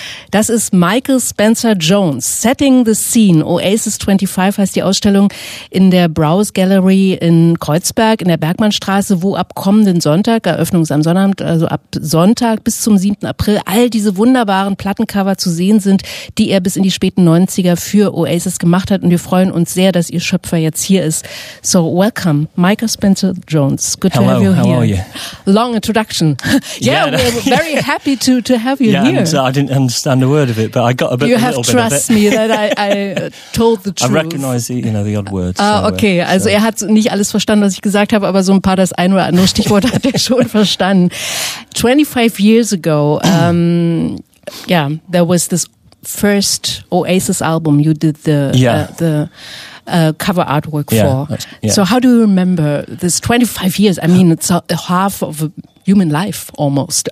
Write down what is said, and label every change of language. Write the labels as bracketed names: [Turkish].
[German] Das ist Michael Spencer Jones, Setting the Scene, Oasis 25 heißt die Ausstellung, in der Browse Gallery in Kreuzberg, in der Bergmannstraße, wo ab kommenden Sonntag, Eröffnung ist am Sonnabend, also ab Sonntag bis zum 7. April, all diese wunderbaren Plattencover zu sehen sind, die er bis in die späten 90er für Oasis gemacht hat. Und wir freuen uns sehr, dass ihr Schöpfer jetzt hier ist. [English] So, welcome, Michael Spencer Jones. Good to have you here. Hello, how are you? Long introduction. Yeah, we're very happy to have you here. Yeah, I didn't understand a word of it, but I got a bit. You have trust me that I told the truth. I recognize the odd words. [German] Okay, also er hat nicht alles verstanden, was ich gesagt habe, aber so ein paar, das ein oder andere Stichwort hat er schon verstanden. [English] 25 years ago, yeah, there was this first Oasis album you did the cover artwork for. Yeah. So how do you remember this 25 years? I mean, it's a half of a human life almost.